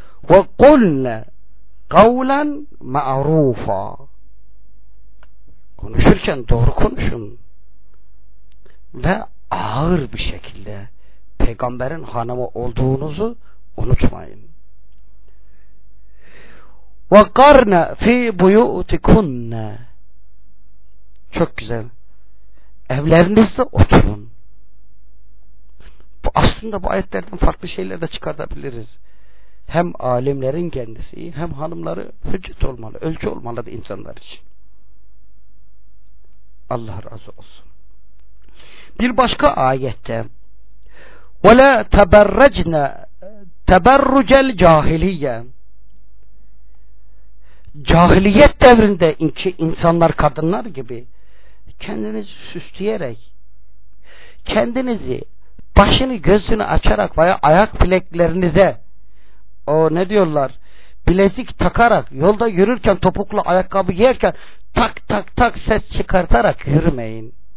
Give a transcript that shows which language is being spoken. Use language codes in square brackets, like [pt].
[ar] Ve kulle kavlen ma'rufa. [tr] Konuşurken doğru konuşun. Ve ağır bir şekilde peygamberin hanımı olduğunuzu unutmayın. [ar] وَقَرْنَ فِي بُيُوتِكُنَّ [tr] çok güzel. Evlerinizde oturun. Bu aslında bu ayetlerden farklı şeyler de çıkartabiliriz. Hem alimlerin kendisi hem hanımları hüccet olmalı, ölçü olmalı da insanlar için. Allah razı olsun. Bir başka ayette [ar] وَلَا تَبَرَّجْنَا تَبَرُّجَ الْجَاهِلِيَّ [tr] cahiliyet devrinde ki insanlar kadınlar gibi kendinizi süsleyerek, kendinizi başını gözünü açarak veya ayak bileklerinize o ne diyorlar bilezik takarak yolda yürürken topuklu ayakkabı giyerken tak tak tak ses çıkartarak yürümeyin.